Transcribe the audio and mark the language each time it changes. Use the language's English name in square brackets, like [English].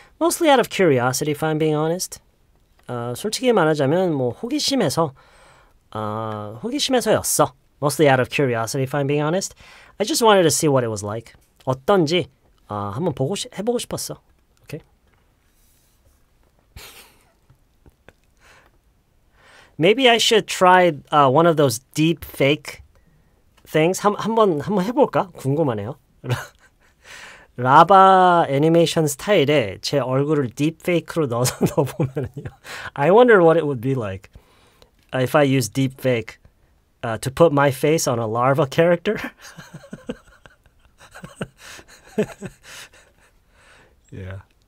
[English] Mostly out of curiosity, if I'm being honest. [Korean] 솔직히 말하자면 뭐 호기심에서였어. [English] Mostly out of curiosity, if I'm being honest. I just wanted to see what it was like. [Korean] 어떤지 한번 해보고 싶었어. [English] Okay. Maybe I should try one of those deep fake things. [Korean] 한번 해볼까? 궁금하네요. 라바 애니메이션 스타일에 제 얼굴을 딥페이크로 넣어서 넣어보면요. [English] I wonder what it would be like if I use deepfake to put my face on a larva character. Yeah.